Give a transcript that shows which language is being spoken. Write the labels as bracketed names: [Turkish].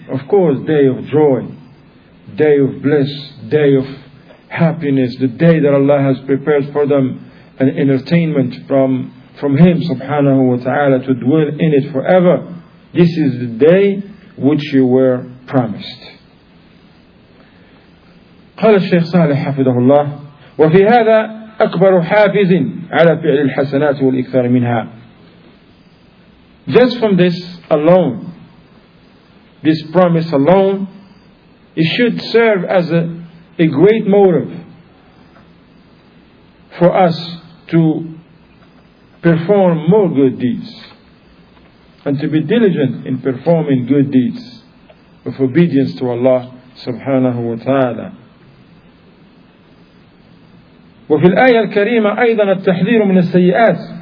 [English] Of course, day of joy, day of bliss, day of happiness, the day that Allah has prepared for them, an entertainment from Him subhanahu wa ta'ala to dwell in it forever. This is the day which you were promised. [Arabic] قال الشيخ صالح حفظه الله وفي هذا أكبر حافز على فعل الحسنات والإكثار منها. [English] Just from this alone, this promise alone, it should serve as a great motive for us to perform more good deeds and to be diligent in performing good deeds of obedience to Allah subhanahu wa ta'ala. [Arabic] وفي الآية الكريمة أيضا التحذير من السيئات.